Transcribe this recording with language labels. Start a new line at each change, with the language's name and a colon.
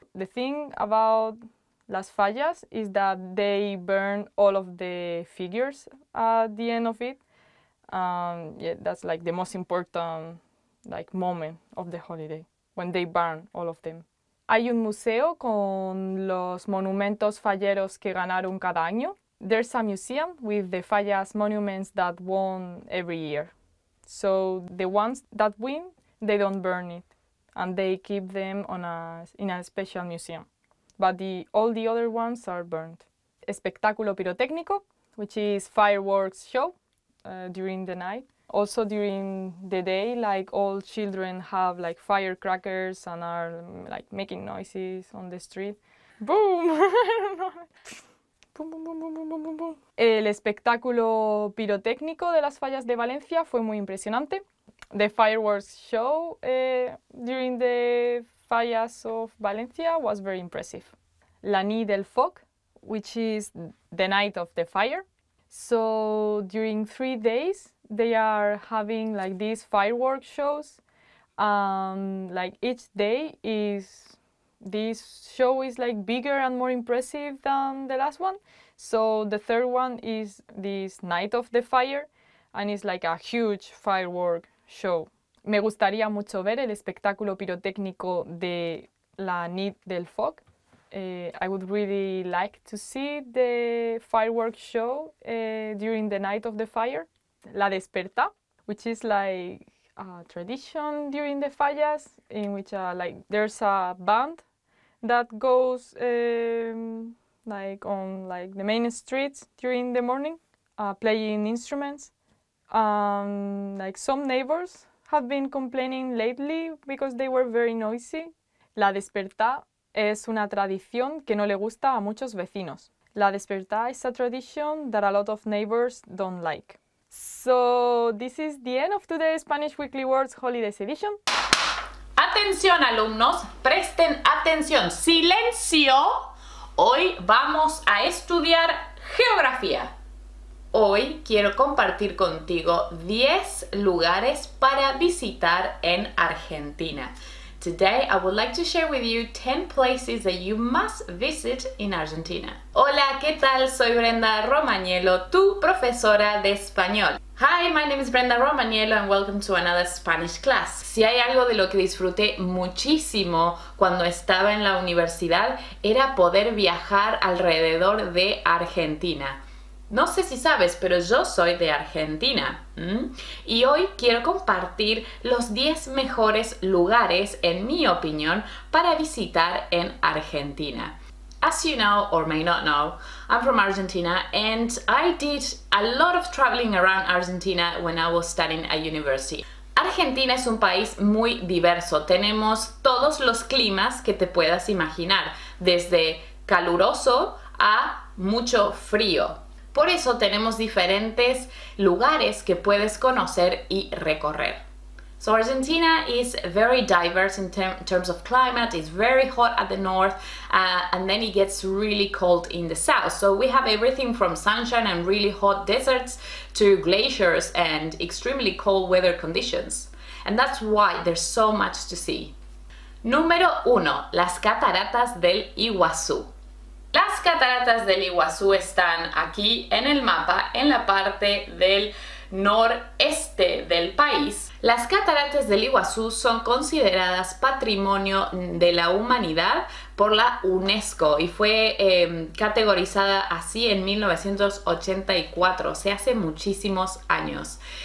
English: The thing about las fallas is that they burn all of the figures at the end of it. Yeah, that's like the most important like moment of the holiday, when they burn all of them.
Spanish: Hay un museo con los monumentos falleros que ganaron cada año.
English: There's a museum with the fallas monuments that won every year. So the ones that win, they don't burn it, and they keep them in a special museum. But all the other ones are burned.
Spanish: Espectáculo pirotécnico,
English: which is fireworks show during the night. Also during the day, like all children have like firecrackers and are like making noises on the street. Boom! Boom, boom, boom, boom, boom, boom, boom, boom.
Spanish: El espectáculo pirotécnico de las fallas de Valencia fue muy impresionante.
English: The fireworks show during the fallas of Valencia was very impressive. La nit del foc, which is the night of the fire. So during 3 days, they are having like these fireworks shows. Like each day is, this show is like bigger and more impressive than the last one. So the third one is this Night of the Fire, and it's like a huge firework show.
Spanish: Me gustaría mucho ver el espectáculo pirotécnico de La Nid del Foc.
English: I would really like to see the firework show during the Night of the Fire, La Desperta, which is like a tradition during the fallas, in which like there's a band that goes like on like the main streets during the morning, playing instruments. Like some neighbors have been complaining lately because they were very noisy.
Spanish: La Desperta es una tradición que no le gusta a muchos vecinos.
English: La Desperta is a tradition that a lot of neighbors don't like. So this is the end of today's Spanish Weekly Words Holidays Edition.
Spanish: Atención alumnos, presten atención, silencio. Hoy vamos a estudiar geografía. Hoy quiero compartir contigo 10 lugares para visitar en Argentina.
English: Today I would like to share with you 10 places that you must visit in Argentina.
Spanish: Hola, ¿qué tal? Soy Brenda Romagnello, tu profesora de español.
English: Hi, my name is Brenda Romagnello and welcome to another Spanish class.
Spanish: Si hay algo de lo que disfruté muchísimo cuando estaba en la universidad era poder viajar alrededor de Argentina. No sé si sabes, pero yo soy de Argentina. Y hoy quiero compartir los 10 mejores lugares, en mi opinión, para visitar en Argentina.
English: As you know or may not know, I'm from Argentina and I did a lot of traveling around Argentina when I was studying at university.
Spanish: Argentina es un país muy diverso. Tenemos todos los climas que te puedas imaginar, desde caluroso a mucho frío. Por eso tenemos diferentes lugares que puedes conocer y recorrer.
English: So Argentina is very diverse in terms of climate. It's very hot at the north and then it gets really cold in the south. So we have everything from sunshine and really hot deserts to glaciers and extremely cold weather conditions. And that's why there's so much to see.
Spanish: Número 1, las Cataratas del Iguazú. Las Cataratas del Iguazú están aquí en el mapa, en la parte del noreste del país. Las Cataratas del Iguazú son consideradas Patrimonio de la Humanidad por la UNESCO y fue categorizada así en 1984, o sea, hace muchísimos años.